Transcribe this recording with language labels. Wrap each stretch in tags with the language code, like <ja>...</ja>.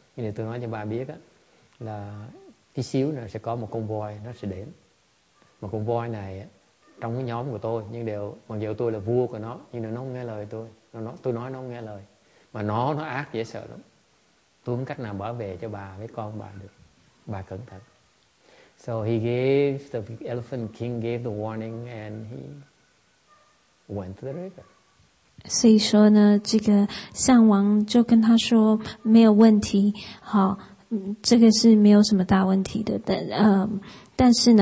<vi>Nhưng tôi nói cho bà biết đó, là tí xíu nữa sẽ có một con voi, nó sẽ đến. Một con voi này trong cái nhóm của tôi, nhưng đều mặc dù tôi là vua của nó, nhưng nó không nghe lời tôi. Tôi nói nó không nghe lời, mà nó ác dễ sợ lắm. Tôi không cách nào bảo vệ cho bà với con bà được. Bà cẩn thận.</vi> <en>So he gave the elephant king gave the warning and he went to the river.</en> <zh>所以说呢，这个象王就跟他说没有问题，好，这个是没有什么大问题的，但。</zh>